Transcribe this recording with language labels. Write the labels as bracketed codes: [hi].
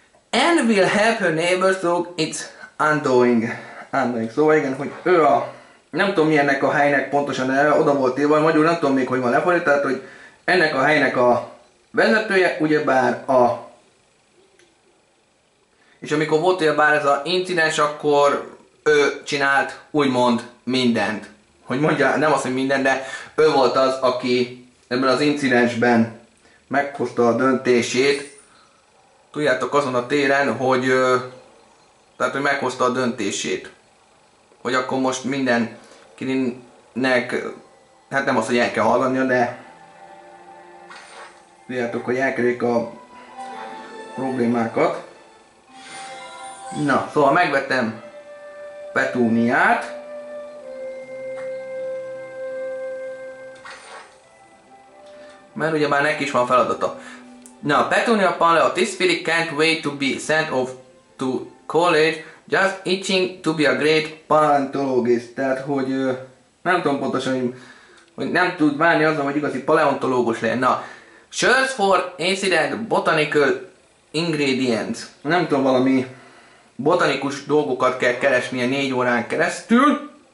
[en] And will help her neighbors through its undoing. [hu] Undoing, szóval igen, hogy ő a, nem tudom, milyennek a helynek pontosan el, oda volt írva, magyarul nem tudom még, hogy van lefordítva, tehát, hogy ennek a helynek a vezetője, ugyebár a, és amikor volt ugyebár ez a incident, akkor ő csinált úgymond mindent. Hogy mondja, nem azt, hogy minden, de ő volt az, aki ebben az incidensben meghozta a döntését. Tudjátok, azon a téren, hogy tehát, hogy meghozta a döntését. Hogy akkor most minden Kirinnek, hát nem azt, hogy el kell hallgatnia, de tudjátok, hogy elkerüljük a problémákat. Na, szóval megvettem Petúniát. Mert ugye már neki is van feladata. [en] Na, Petunia Paleo, this filly can't wait to be sent off to college. Just itching to be a great [hu] paleontologist, tehát hogy nem tudom pontosan, hogy nem tud várni azon, hogy igazi paleontológus legyen. [en] Na, search for incident botanical ingredients. [hu] Nem tudom, valami botanikus dolgokat kell keresnie 4 órán keresztül.